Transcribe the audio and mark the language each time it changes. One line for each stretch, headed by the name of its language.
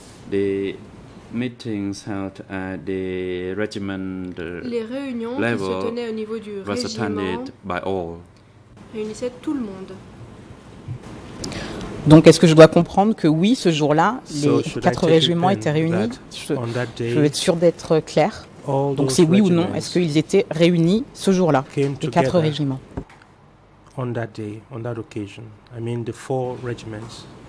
English: The meetings held at the regiment level was attended by all.
French: Réunissaient tout le monde. Donc, est-ce que je dois comprendre que oui, ce jour-là, les quatre régiments étaient réunis? Je veux être sûr d'être clair. Donc, c'est oui ou non? Est-ce qu'ils étaient réunis ce jour-là, les quatre régiments?
English: On that day, on that occasion, I mean the four regiments.